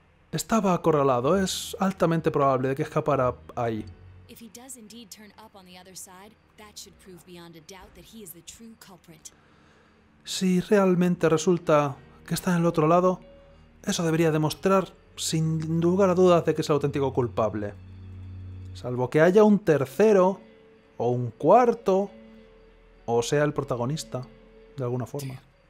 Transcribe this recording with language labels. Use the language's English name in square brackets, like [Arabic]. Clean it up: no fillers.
[Spanish] Estaba acorralado, es altamente probable de que escapara ahí. [English] If he does indeed turn up on the other side, that should prove beyond a doubt that he is the true culprit. [Spanish] Si realmente resulta que está en el otro lado, eso debería demostrar sin lugar a dudas de que es el auténtico culpable. Salvo que haya un tercero, o un cuarto, o sea el protagonista, de alguna forma.